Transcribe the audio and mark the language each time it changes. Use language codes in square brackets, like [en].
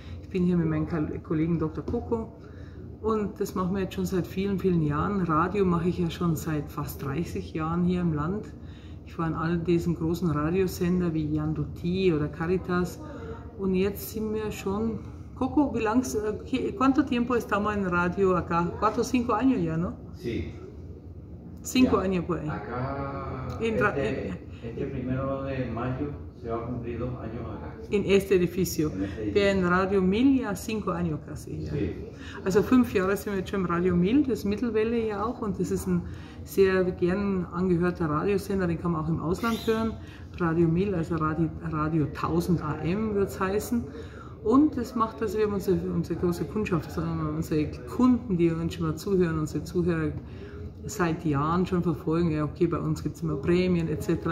[de] Ich bin hier mit meinem Kollegen Dr. Coco und das machen wir jetzt schon seit vielen, vielen Jahren. Radio mache ich ja schon seit fast 30 Jahren hier im Land. Ich war in all diesen großen Radiosender wie Jan Dutti oder Caritas und jetzt sind wir schon... Coco, wie lange... [es] ¿Cuánto tiempo estamos en radio acá? 4-5 años ya, ¿no? Sí. Cinco ya, años, pues. Acá, primero de mayo se va a cumplir 2 años acá. En este edificio. [de] Wir [es] en Radio Mil ya 5 años casi. Ya. Sí. [de] Also 5 Jahre sind wir schon im Radio Mil, das ist Mittelwelle ja auch. Und das ist ein sehr gern angehörter Radiosender, den kann man auch im Ausland hören. Radio Mil, also Radio 1000 AM wird es heißen. Und das macht, dass wir unsere große Kundschaft, unsere Kunden, die uns schon mal zuhören, unsere Zuhörer, seit Jahren schon verfolgen, ja, okay, bei uns gibt es immer Prämien etc.